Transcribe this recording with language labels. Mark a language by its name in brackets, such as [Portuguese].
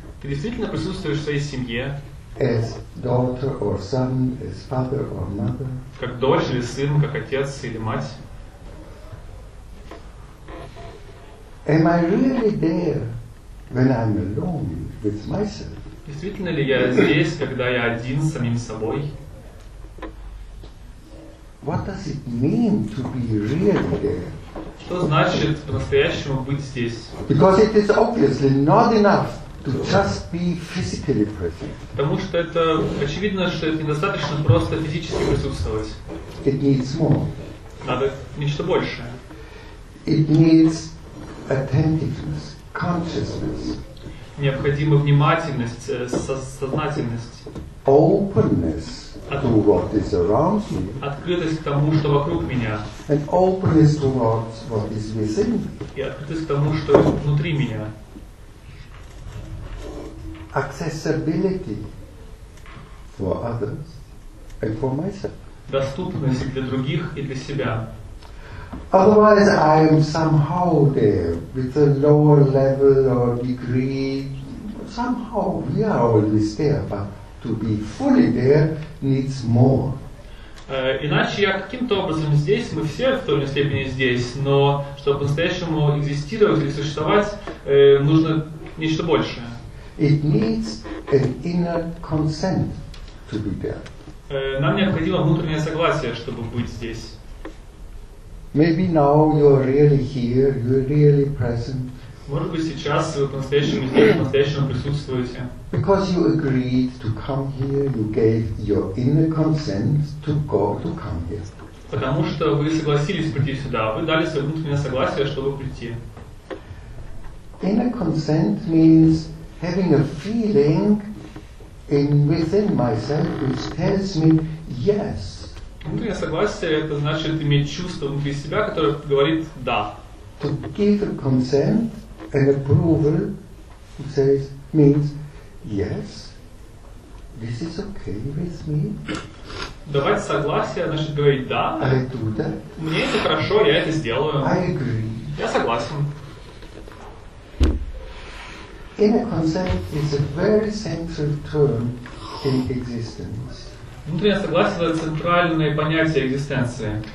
[Russian] Ты действительно присутствуешь в своей семье? [English] As daughter or son, as father or mother? [Russian] Как дочь или сын, как отец или мать? [English] Am I really there when I'm alone with myself? [Russian] Действительно ли я здесь, когда я один с самим собой? [English] What does it mean to be really there? [Russian] Что значит по-настоящему быть здесь? [English] Because it is obviously not enough to just be physically present. [Russian] Потому что это очевидно, что это недостаточно просто физически присутствовать. [English] It needs more. [Russian] Надо нечто большее. [English] It needs attentiveness, consciousness. [Russian] Необходима внимательность, сознательность. [English] Openness. To what is around me. [Russian] Открытость к тому, что вокруг меня. [English] And openness towards what is within me. [Russian] И открытость к тому, что внутри меня. [English] accessibility for others and for myself. [Russian] Доступность для других и для себя. [English] Otherwise, I am somehow there with a lower level or degree. Somehow, we are always there, but to be fully there needs more. [Russian] Иначе я каким-то образом здесь, мы все в той или иной степени здесь, но чтобы по-настоящему экзистировать или существовать, нужно нечто большее. [English] It needs an inner consent to be there. [Russian] Нам необходимо внутреннее согласие, чтобы быть здесь. [English] Maybe now you're really here, you're really present. [Russian] Может быть сейчас вы по-настоящему здесь, по-настоящему присутствуете. [English] Because you agreed to come here, you gave your inner consent to go to come here. [Russian] Потому что вы согласились прийти сюда, вы дали свое внутреннее согласие, чтобы прийти. [English] Inner consent means having a feeling in within myself which tells me yes. [Russian] Внутреннее согласие — это значит иметь чувство внутри себя, которое говорит «да». [English] To give a consent and approval says, means yes, this is okay with me. [Russian] Давать согласие — значит говорить «да». [English] I do that. [Russian] Мне это хорошо, я это сделаю. [English] I agree. [Russian] Я согласен. [English] Inner consent is a very central term in existence. [Russian] Внутреннее согласие — это центральное понятие экзистенции.